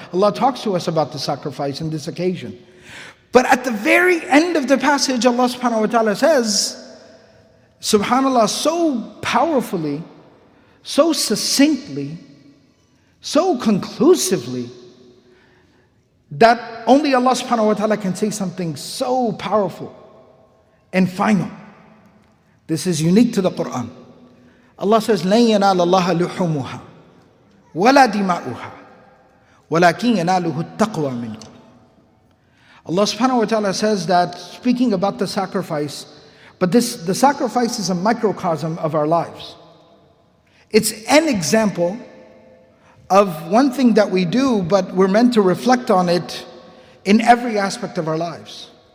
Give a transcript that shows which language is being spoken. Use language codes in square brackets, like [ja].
[en] Allah talks to us about the sacrifice in this occasion. But at the very end of the passage, Allah subhanahu wa ta'ala says, subhanAllah, so powerfully, so succinctly, so conclusively, that only Allah subhanahu wa ta'ala can say something so powerful and final. This is unique to the Quran. [ar] Allah says, لَنْ يَنَالَ اللَّهَ لُحُمُهَا وَلَا دِمَاؤُهَا وَلَكِنْ يَنَالُهُ التَّقْوَى مِنْكُمْ. [en] Allah subhanahu wa ta'ala says that, speaking about the sacrifice, but this, the sacrifice is a microcosm of our lives. It's an example of one thing that we do, but we're meant to reflect on it in every aspect of our lives.